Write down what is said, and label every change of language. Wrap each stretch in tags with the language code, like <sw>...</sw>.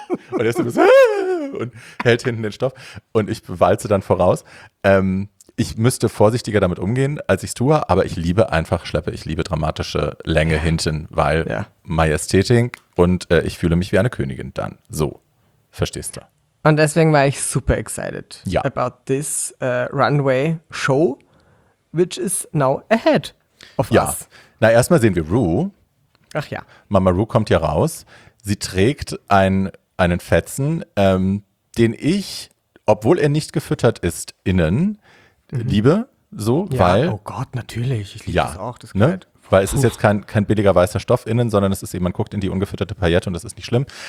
<de>Und er ist so und hält hinten den Stoff und ich walze dann voraus. Ich müsste vorsichtiger damit umgehen, als ich es tue, aber ich liebe einfach Schleppe, ich liebe dramatische Länge hinten, weil Majestätik und ich fühle mich wie eine Königin dann. So, verstehst du? Und deswegen war ich super</de> <en>excited about this runway show, which is now ahead of us.</en> <de>Na, erstmal sehen wir Rue. Ach ja. Mama Rue kommt hier raus. Sie trägt einen Fetzen, den ich, obwohl er nicht gefüttert ist, innen liebe, so, weil... Oh Gott, natürlich, ich liebe das auch, das Kleid. Ne? Weil es ist jetzt kein billiger weißer Stoff innen, sondern es ist eben, man guckt in die ungefütterte Paillette und das ist nicht schlimm.</de>